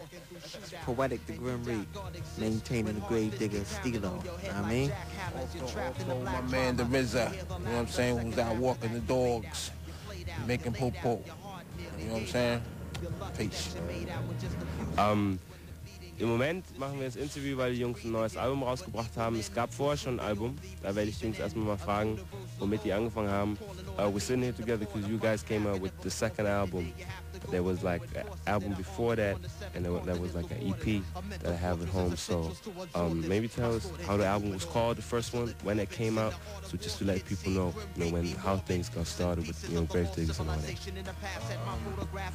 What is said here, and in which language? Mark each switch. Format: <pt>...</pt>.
<en>It's Poetic the Grim Reap, maintaining the Grave Digger Stilo, you know what I mean? Also my man the RZA, you know what I'm saying, who's out walking the dogs, making po-po, you know what I'm saying? Peace.</en> <de>Im Moment machen wir das Interview, weil die Jungs ein neues Album rausgebracht haben. Es gab vorher schon ein Album, da werde ich die Jungs erstmal mal fragen, womit die angefangen haben.</de> <en>We're sitting here together because you guys came out with the second album. There was like an album before that, and there was like an EP that I have at home. So maybe tell us how the album was called, the first one, when it came out. So just to let people know, you know, when how things got started with, you know, Grave Diggers and all that.</en>